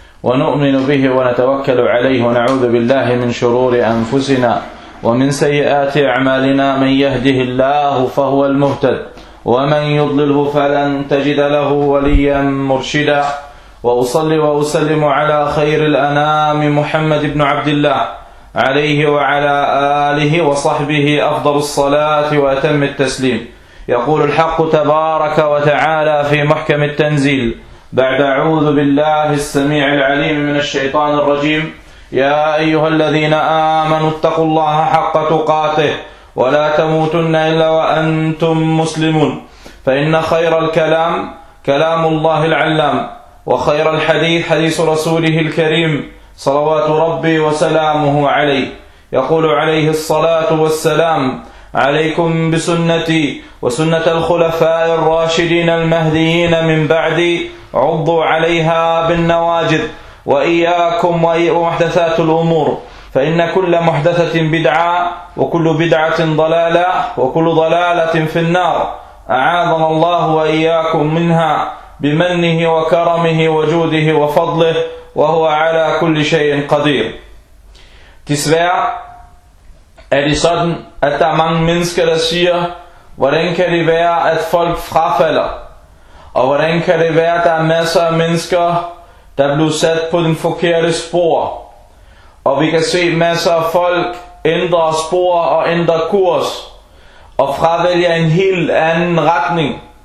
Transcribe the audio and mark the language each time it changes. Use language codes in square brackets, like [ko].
[ar] Wa nu'minu bihi wa natawakkalu alayhi wa na'udhu billahi min shururi anfusina wa min sayyiati a'malina man yahdihillahu fahuwa al-muhtad wa man yudlilhu falan tajida lahu waliyan murshida wa usalli wa usallimu ala khayril anami Muhammad ibn Abdullah عليه وعلى آله وصحبه أفضل الصلاة وأتم التسليم. يقول الحق تبارك وتعالى في محكم التنزيل بعد أعوذ بالله السميع العليم من الشيطان الرجيم: يا أيها الذين آمنوا اتقوا الله حق تقاته ولا تموتن إلا وأنتم مسلمون. فإن خير الكلام كلام الله العلام وخير الحديث حديث رسوله الكريم صلوات ربي وسلامه عليه. يقول عليه الصلاة والسلام: عليكم بسنتي وسنة الخلفاء الراشدين المهديين من بعدي، عضوا عليها بالنواجذ، وإياكم ومحدثات الأمور، فإن كل محدثة بدعة وكل بدعة ضلالة وكل ضلالة في النار، أعاذنا الله وإياكم منها بمنه وكرمه وجوده وفضله وهو على كل شيء قدير. [da] Desværre er det sådan, at der er mange mennesker, der siger: hvordan kan det være, at folk frafalder? Og hvordan kan det være, at der er masser af mennesker, der blev sat på den forkerte spor? Og vi kan se masser af folk ændre spor og ændre kurs og fravælger en helt anden retning.